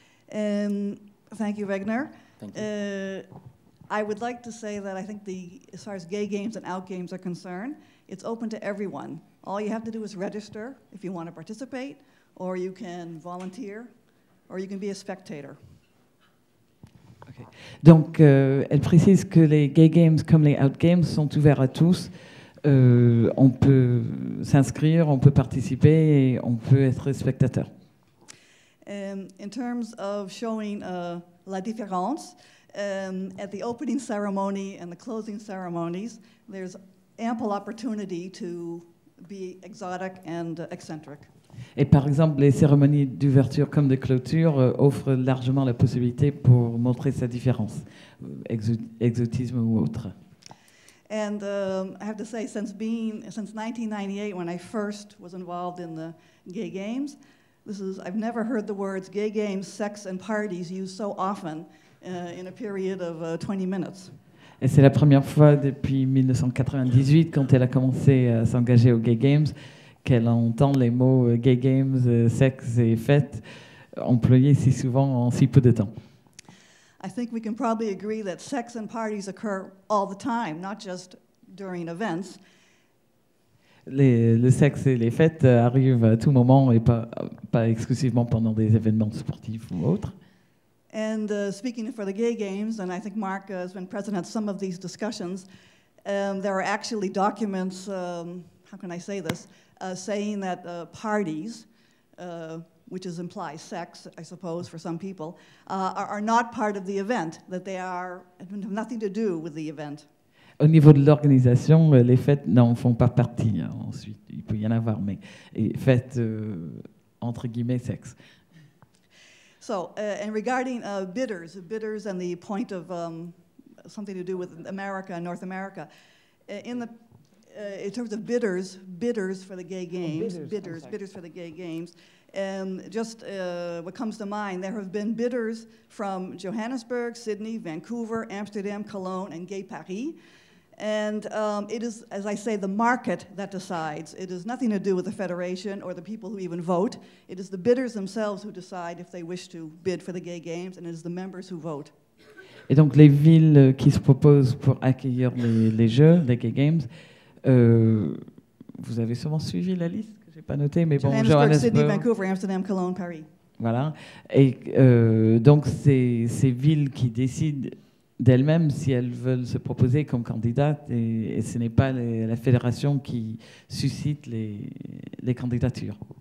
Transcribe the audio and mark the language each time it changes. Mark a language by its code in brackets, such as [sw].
[en] Thank you, Wagner. Thank you. I would like to say that I think as far as gay games and out games are concerned, it's open to everyone. All you have to do is register if you want to participate, or you can volunteer, or you can be a spectator. Okay. [fr] Donc, elle précise que les gay games comme les out games sont ouverts à tous. On peut s'inscrire, on peut participer, et on peut être spectateur. [en] In terms of showing [fr] la différence, [en] at the opening ceremony and the closing ceremonies, there's ample opportunity to be exotic and eccentric. [fr] Et par exemple, les cérémonies d'ouverture comme de clôture offrent largement la possibilité pour montrer sa différence, exotisme ou autre. [en] And I have to say, since 1998, when I first was involved in the gay games, I've never heard the words gay games, sex and parties used so often in a period of 20 minutes. [fr] Et c'est la première fois depuis 1998, quand elle a commencé à s'engager aux Gay Games, qu'elle entend les mots Gay Games, sexe et fête employés si souvent en si peu de temps. [en] I think we can probably agree that sex and parties occur all the time, not just during events. [fr] Le sexe et les fêtes arrivent à tout moment et pas exclusivement pendant des événements sportifs ou autres. [en] And speaking for the gay games, and I think Mark has been present at some of these discussions, there are actually documents, how can I say this, saying that parties, which implies sex, I suppose, for some people, are not part of the event, that they have nothing to do with the event. [fr] Au niveau de l'organisation, les fêtes n'en font pas partie. Hein, ensuite, il peut y en avoir, mais fêtes, entre guillemets, sexe. [en] So, and regarding bidders and the point of something to do with America and North America, in terms of bidders for the gay games, bidders for the gay games, what comes to mind, there have been bidders from Johannesburg, Sydney, Vancouver, Amsterdam, Cologne, and Gay Paris. And it is, as I say, the market that decides. It has nothing to do with the Federation or the people who even vote. It is the bidders themselves who decide if they wish to bid for the gay games, and it is the members who vote. [fr] Et donc les villes qui se proposent pour accueillir les jeux, les gay games, vous avez sûrement suivi la liste que j'ai pas notée, mais bon, Johannesburg, Sydney, Vancouver, Amsterdam, Cologne, Paris. Voilà. Et donc ces villes qui décident d'elles-mêmes si elles veulent se proposer comme candidates, et ce n'est pas la fédération qui suscite les candidatures.